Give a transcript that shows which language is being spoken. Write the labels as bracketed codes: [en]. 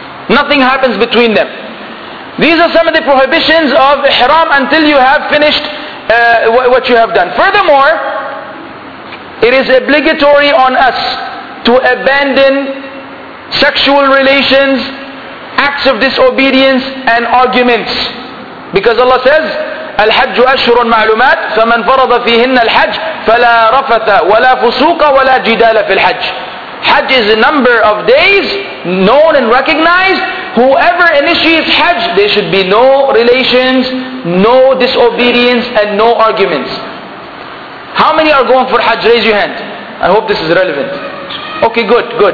[en] Nothing happens between them. These are some of the prohibitions of Ihram until you have finished what you have done. Furthermore, it is obligatory on us to abandon sexual relations, acts of disobedience, and arguments. Because Allah says, [ar] الحج أشهر معلومات فمن فرض فيهن الحج فلا رفث ولا فسوق ولا جدال في الحج. [en] Hajj is a number of days known and recognized. Whoever initiates Hajj, there should be no relations, no disobedience, and no arguments. How many are going for Hajj? Raise your hand. I hope this is relevant. Okay, good.